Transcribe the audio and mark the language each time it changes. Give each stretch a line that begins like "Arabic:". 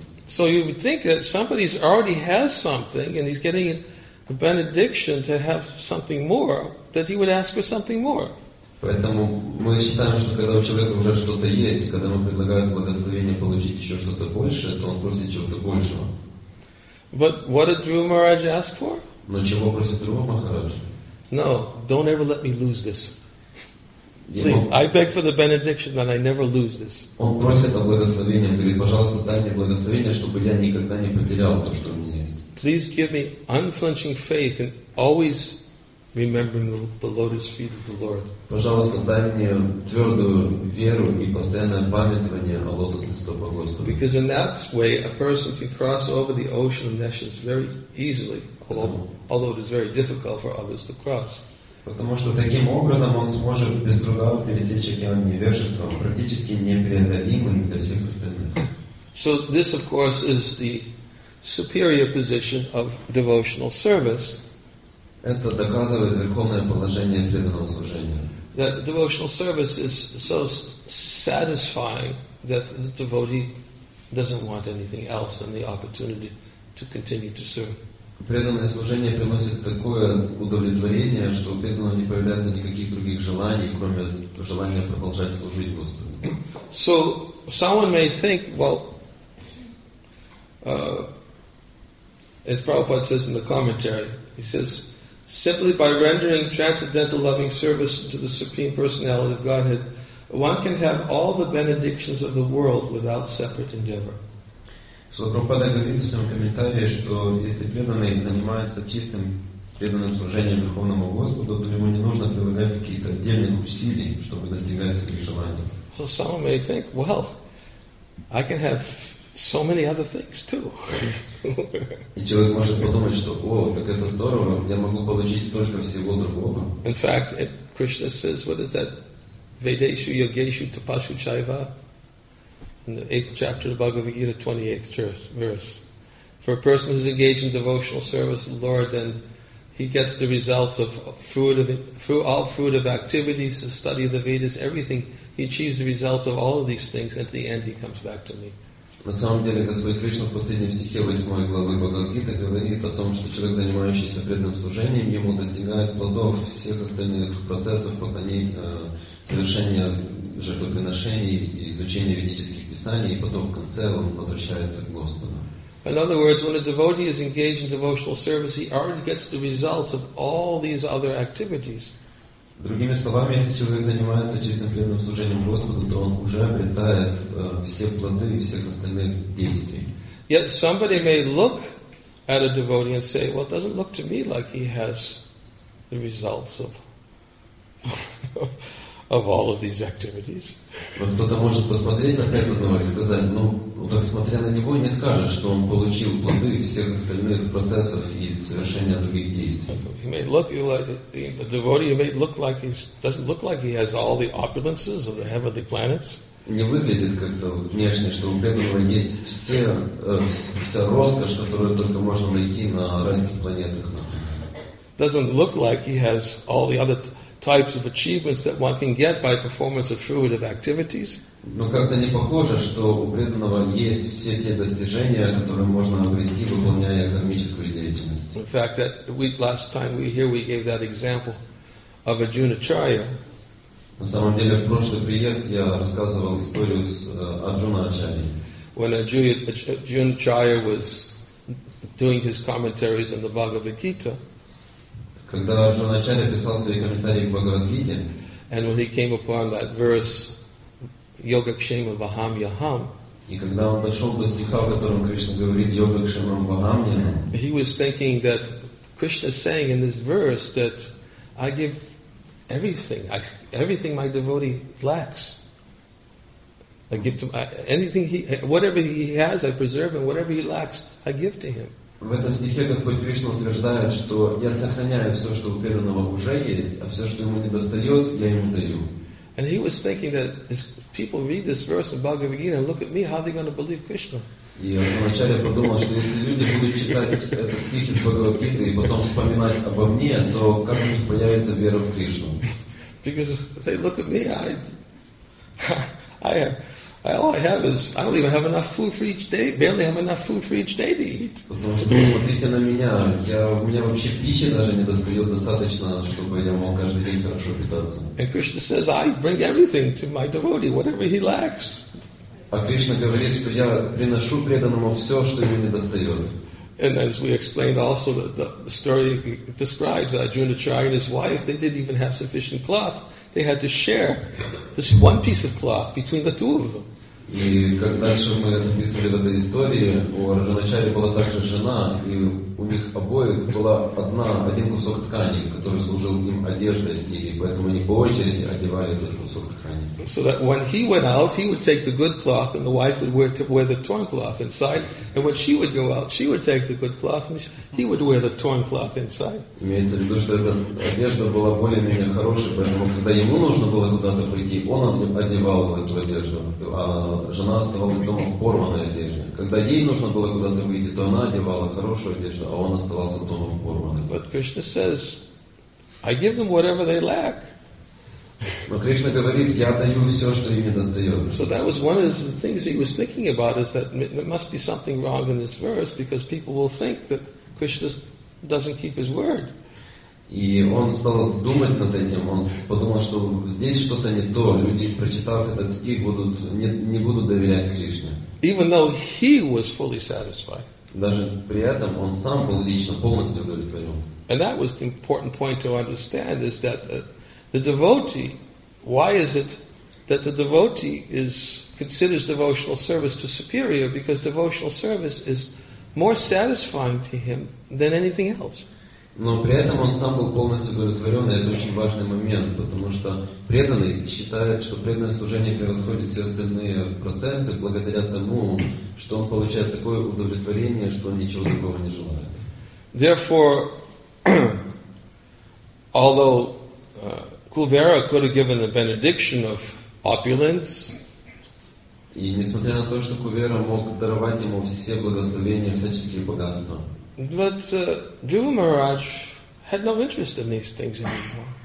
English: So you would think that somebody already has something and he's getting the benediction to have something more, that he would ask for something more.
Russian: Поэтому мы считаем, что когда у человека уже что-то есть, когда ему предлагают благословение получить еще что-то большее, то он просит чего-то большего.
English: But what did Dhruva Maharaj ask for?
Russian: Но чего просит Dhruva Maharaj?
English: No, don't ever let me lose this. Please, I beg for the benediction that I never lose this.
Russian: Он просит о благословении, говорит, пожалуйста, дай мне благословение, чтобы я никогда не потерял то, что у меня есть.
English: Please give me unflinching faith and always remembering the lotus feet of the Lord.
Russian: Пожалуйста, дай мне твердую веру и постоянное памятование о лотосных стопах Господа.
English: Because in that way, a person can cross over the ocean of nations very easily, although it is very difficult for others to cross.
Russian: Потому что таким образом он сможет без труда пересечь океан невежества, практически непреодолимый для всех остальных.
English: So this, of course, is the superior position of devotional service.
Russian: Это доказывает верховное положение преданного служения.
English: That devotional service is so satisfying that the devotee doesn't want anything else than the opportunity to continue to serve.
Russian: Преданное служение приносит такое удовлетворение, что у преданного не появляется никаких других желаний, кроме желания продолжать служить Господу.
English: So someone may think, well, as Prabhupada says in the commentary, he says, simply by rendering transcendental loving service to the Supreme Personality of Godhead, one can have all the benedictions of the world without separate endeavor. So
Russian: Prabhupada говорит в своем комментарии, что если преданный занимается чистым преданным служением Верховному Господу, то ему не нужно прилагать каких-то отдельных усилий, чтобы достигать своих желаний.
English: So some may think, well, I can have so many other things too.
Russian: И человек может подумать, что, о, так это здорово, я могу получить столько всего другого.
English: In fact, Krishna says, what is that?
Sanskrit: Vedeshu, yogeshu, tapasu, chaiva.
English: In the 8th chapter of the Bhagavad Gita, 28th verse. For a person who's engaged in devotional service to the Lord, then he gets the results of all fruit of activities, the study of the Vedas, everything. He achieves the results of all of these things, and at the end he comes back to me.
Russian: На самом деле, Господь Кришна в последнем стихе 8 главы Бхагавад-гиты говорит о том, что человек, занимающийся преданным служением, ему достигает плодов всех остальных процессов поклонения, совершения жертвоприношений, изучения ведических писаний, и потом в конце он возвращается к Господу.
English: In other words, when a devotee is engaged in devotional service, he already gets the results of all these other activities.
Russian: Другими словами, если человек занимается чистым преданным служением Господу, то он уже обретает все плоды и всех остальных действий.
English: Yet somebody may look at a devotee and say, well, it doesn't look to me like he has the results of all of these activities.
Russian: Но кто-то может посмотреть на преданного и сказать, ну, так смотря на него, не скажешь, что он получил плоды всех остальных процессов и совершения других действий.
English: He may look like the devotee may look like he doesn't look like he has all the opulences of the heavenly planets.
Russian: Не выглядит как-то внешне, что у преданного есть все вся роскошь, которую только можно найти на райских планетах.
English: Doesn't look like he has all the other types of achievements that one can get by performance of fruitive activities.
Russian: Но как-то не похоже, что у преданного есть все те достижения, которые можно обрести, выполняя кармическую деятельность.
English: In fact, that last time we here we gave that example of Arjunacharya.
Russian: На самом деле, в прошлый приезд я рассказывал историю с Арджуна-ачарьей.
English: When Arjunacharya was doing his commentaries on the Bhagavad Gita.
Russian: Когда Арджуна-ачарья писал свои комментарии к Бхагавад-гите.
English: And when he came upon that verse,
Sanskrit: Yogakshema Vaham Yaham.
Russian: И когда он дошел до стиха, в котором Кришна говорит
Sanskrit: Йогакшемам Вахам Яхам.
English: He was thinking that Krishna is saying in this verse that I give everything my devotee lacks. I give to anything he whatever he has I preserve and whatever he lacks I give to him.
Russian: В этом стихе Господь Кришна утверждает, что я сохраняю все, что у преданного уже есть, а все, что ему недостает, я ему даю.
English: And he was thinking that as people read this verse in Bhagavad Gita and look at me, how are they going to believe Krishna?
Russian: Вначале подумал, что если люди будут читать этот стих из Бхагавад-гиты и потом вспоминать обо мне, то как у них появится вера в Кришну?
English: Because if they look at me, I don't even have enough food for each day. Barely have enough food for each day to eat.
Russian: Посмотрите на меня. У меня вообще пищи даже не достает достаточно, чтобы я мог каждый день хорошо питаться.
English: And Krishna says, I bring everything to my devotee, whatever he lacks.
Russian: А Кришна говорит, что я приношу преданному все, что ему не достает.
English: And as we explained also, the story describes Arjunacharya and his wife, they didn't even have sufficient cloth. They had to share this one piece of cloth between the two of them.
Russian: И как дальше мы описали в этой истории, у Арджуначари была также жена, и у них обоих была один кусок ткани, который служил им одеждой, и поэтому они по очереди одевали этот кусок ткани.
English: So that when he went out, he would take the good cloth, and the wife would wear the torn cloth inside. And when she would go out, she would take the good cloth, and he would wear the torn cloth inside.
Russian: Имеется в виду, что эта одежда была более-менее хорошей, поэтому когда ему нужно было куда-то прийти, он одевал эту одежду, а жена оставалась дома в порванной одежде. Когда ей нужно было куда-то выйти, то она одевала хорошую одежду, а он оставался дома в порванной.
English: But Krishna says, I give them whatever they lack.
Russian: Но Кришна говорит, я даю все, что им не достает.
English: So that was one of the things he was thinking about, is that there must be something wrong in this verse, because people will think that Krishna doesn't keep his word.
Russian: И он стал думать над этим, он подумал, что здесь что-то не то, люди, прочитав этот стих, не будут доверять Кришне.
English: Even though he was fully satisfied.
Russian: Даже при этом он сам был лично полностью удовлетворен.
English: And that was the important point to understand, is that the devotee, why is it that the devotee considers devotional service to superior? Because devotional service is more satisfying to him than anything else.
Russian: Но при этом он сам был полностью удовлетворен, и это очень важный момент, потому что преданный считает, что преданное служение превосходит все остальные процессы благодаря тому, что он получает такое удовлетворение, что он ничего другого не желает.
English: Therefore, although Kulvera could have given the benediction of opulence,
Russian: и несмотря на то, что Кувера мог даровать ему все благословения, всяческие богатства,
English: but Dhruva Maharaj had no interest in these things anymore.